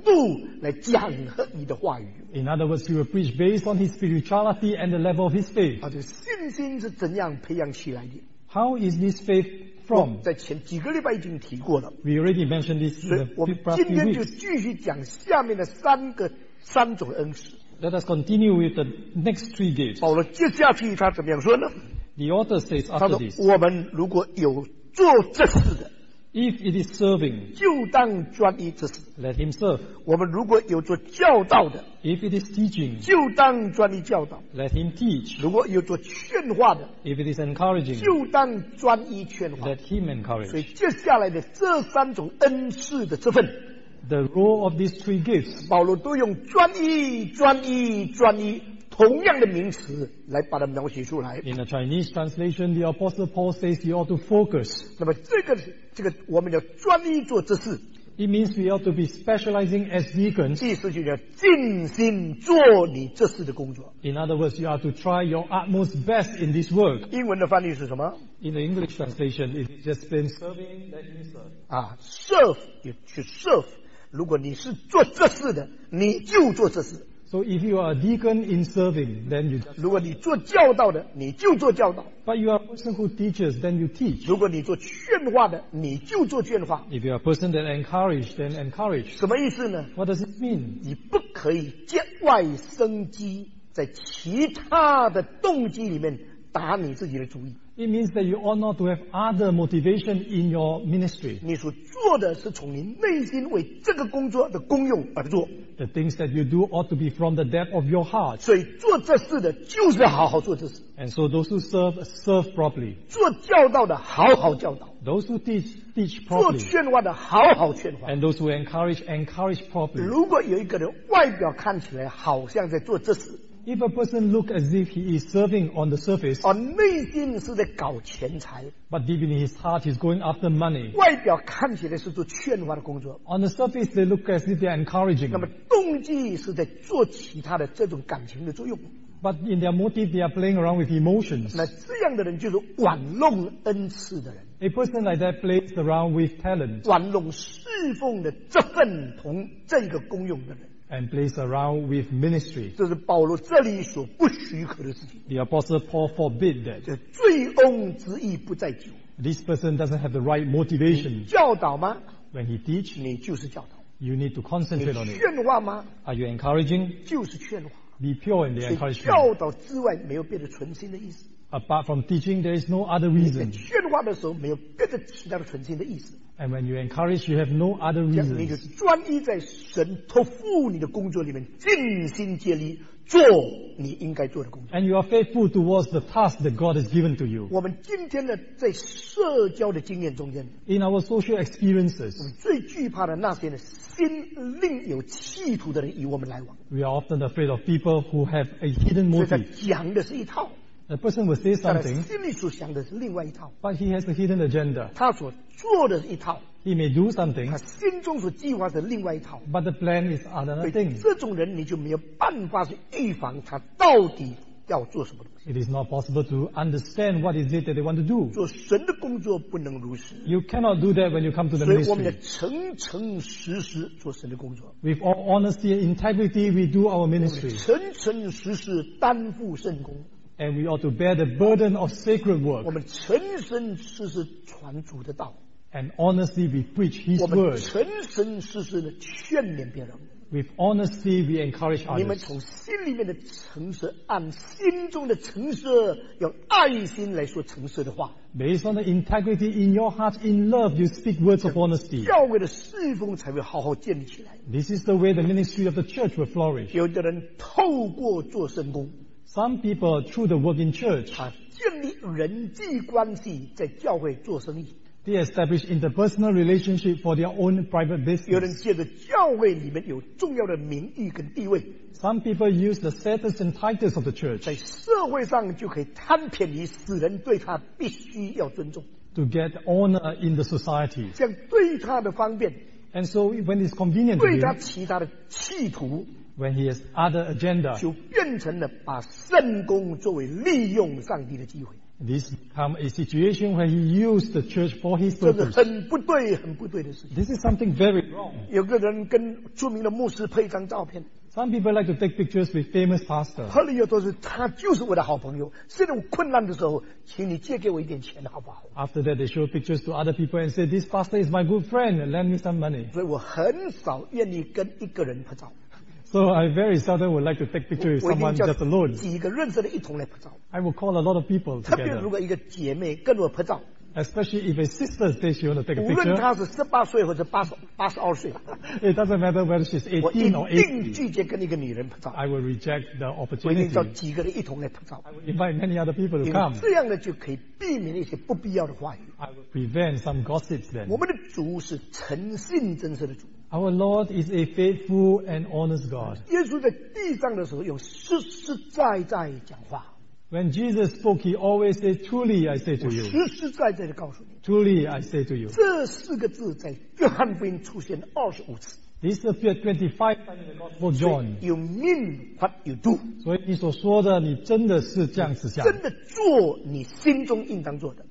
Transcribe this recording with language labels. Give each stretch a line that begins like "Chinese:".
Chinese: 也就是照他灵性以他对真理的信仰的了解的程度来讲和你的话语。
English: In other words, he will preach based on his spirituality and the level of his faith.
Chinese: 而且信心是怎样培养起来的?
English: How is this faith from?
Chinese: 在前几个礼拜已经提过了,
English: we already mentioned this.
Chinese: 我们今天就继续讲下面的三种恩赐。
English: Let us continue with the next three gifts.
Chinese: 保罗接下去他怎么样说呢?
English: The author says after this,
Chinese: 他说我们如果有做这事的,
English: if it is serving,
Chinese: 就当专一这事,
English: let him serve.
Chinese: 我们如果有做教导的,
English: if it is teaching,
Chinese: 就当专一教导,
English: let him teach.
Chinese: 如果有做劝化的,
English: if it is encouraging,
Chinese: 就当专一劝化,
English: let him encourage.
Chinese: 所以接下来的这三种恩赐的这份,
English: the role of these three gifts,
Chinese: 保罗都用专一专一专一 同样的名词来把它描写出来。
English: In the Chinese translation, the Apostle Paul says you ought to focus.
Chinese: 那么这个我们要专一做这事。
English: It means we ought to be specializing as deacons.
Chinese: 意思就是要尽心做你这事的工作。
English: In other words, you are to try your utmost best in this work.
Chinese: 英文的翻译是什么?
English: In the English translation, it has just been serving, let me serve. 啊,serve, you should serve.
Chinese: 如果你是做这事的,你就做这事。
English: So if you are a deacon in serving, then you just
Chinese: 如果你做教导的, 你就做教导,
English: but you are a person who teaches, then you teach.
Chinese: 如果你做劝化的, 你就做劝化,
English: if you are a person that encourages, then encourage.
Chinese: 什么意思呢?
English: What does it mean?
Chinese: 你不可以节外生机, 在其他的动机里面打你自己的主意。
English: It means that you ought not to have other motivation in your ministry.
Chinese: 你所做的是从你内心为这个工作的功用而做。
English: The things that you do ought to be from the depth of your heart.
Chinese: 所以做这事的就是好好做这事。
English: And so those who serve properly.
Chinese: 做教导的好好教导。
English: Those who teach properly.
Chinese: 做劝化的好好劝化。
English: And those who encourage properly.
Chinese: 如果有一个人外表看起来好像在做这事。
English: If a person looks as if he is serving on the surface,
Chinese: 而内心是在搞钱财
English: but deep in his heart he's going after money.
Chinese: 外表看起来是做劝化的工作
English: on the surface they look as if they are encouraging.
Chinese: 那么动机是在做其他的这种感情的作用
English: but in their motive they are playing around with emotions.
Chinese: 那这样的人就是玩弄恩赐的人
English: A person like that plays around with talents.
Chinese: 玩弄侍奉的这份同这个功用的人
English: And plays around with ministry.
Chinese: 这是保罗这里所不许可的事情。
English: The apostle Paul forbid that.
Chinese: 这醉翁之意不在酒。
English: This person doesn't have the right motivation.
Chinese: 你教导吗
English: ？When he teach,
Chinese: 你就是教导。
English: You need to concentrate on it.
Chinese: 劝化吗
English: ？Are you encouraging?
Chinese: 就是劝化。
English: Be pure in the encouragement.
Chinese: 教导之外没有别的存心的意思。
English: Apart from teaching, there is no other reason.
Chinese: 你在劝化的时候没有别的其他的存心的意思。
English: And when you encourage, you have no other reason.
Chinese: 你就专一在神托付你的工作里面，尽心竭力做你应该做的工作。
English: And you are faithful towards the task that God has given to you.
Chinese: 我们今天呢，在社交的经验中间
English: ，in our social experiences,
Chinese: 我们最惧怕的那些呢，心另有企图的人与我们来往。
English: We are often afraid of people who have a hidden motive.
Chinese: 所以讲的是一套。
English: The person will say something,
Chinese: 他的心里所想的是另外一套
English: but he has a hidden agenda.
Chinese: 他所做的一套
English: he may do something,
Chinese: 他心中所计划的另外一套
English: but the plan is another thing.
Chinese: 这种人你就没有办法去预防他到底要做什么东西
English: It is not possible to understand what is it that they want to do.
Chinese: 做神的工作不能如此
English: You cannot do that when you come to the ministry.
Chinese: 所以我们要诚诚实实做神的工作
English: With all honesty and integrity, we do our ministry.
Chinese: 诚诚实实担负圣工
English: And we ought to bear the burden of sacred work.
Chinese: 我们诚诚实实传主的道。
English: And honestly we preach His word.
Chinese: 我们诚诚实实的劝勉别人。
English: With honesty we encourage others.
Chinese: 你们从心里面的诚实，按心中的诚实，用爱心来说诚实的话。
English: Based on the integrity in your heart, in love, you speak words of honesty.
Chinese: 教会的侍奉才会好好建立起来。
English: This is the way the ministry of the church will flourish.
Chinese: 有的人透过做圣工。
English: Some people through the work in church,
Chinese: 他建立人际关系在教会做生意。
English: They establish interpersonal relationship for their own private business.
Chinese: 有人借着教会里面有重要的名誉跟地位。
English: Some people use the status and titles of the church.
Chinese: 在社会上就可以贪便宜，使人对他必须要尊重。
English: To get honor in the society.
Chinese: 这样对他的方便。
English: And so when it's convenient,
Chinese: 对他其他的企图。
English: When he has other agenda,
Chinese: 就变成了把圣工作为利用上帝的机会。
English: This becomes a situation where he used the church for his purpose.
Chinese: 这是很不对、很不对的事情。
English: This is something very wrong.
Chinese: 有个人跟著名的牧师拍一张照片。
English: Some people like to take pictures with famous pastor.
Chinese: 哈利又说是他就是我的好朋友。现在我困难的时候，请你借给我一点钱，好不好
English: ？After that, they show pictures to other people and say, "This pastor is my good friend. Lend me some money."
Chinese: 所以我很少愿意跟一个人拍照。
English: So I very seldom would like to take pictures with someone just alone.
Chinese: 几个认识的一同来拍照。
English: I will call a lot of people together.
Chinese: 特别如果一个姐妹跟我拍照。
English: Especially if a sister says she wants to take a picture.
Chinese: 无论她是十八岁或者八十二岁。
English: It doesn't matter whether she's 18 or
Chinese: 80. 我一定拒绝跟一个女人拍照。
English: I will reject the opportunity.
Chinese: 我一定叫几个人一同来拍照。
English: I will invite many other people to come.
Chinese: 这样呢就可以避免一些不必要的话语。
English: I will prevent some gossips then.
Chinese: 我们的主是诚信真实的主。
English: Our Lord is a faithful and honest God.
Chinese: 耶稣在地上的时候有实实在在讲话。
English: When Jesus spoke, he always said, Truly I say to you.
Chinese: 实实在在地告诉你。
English: Truly I say to you.
Chinese: 这四个字在约翰福音出现25次。
English: This appeared 25 times in the Gospel of John. So you mean what you do.
Chinese: 所以你所说的你真的是这样子想。真的做你心中应当做的。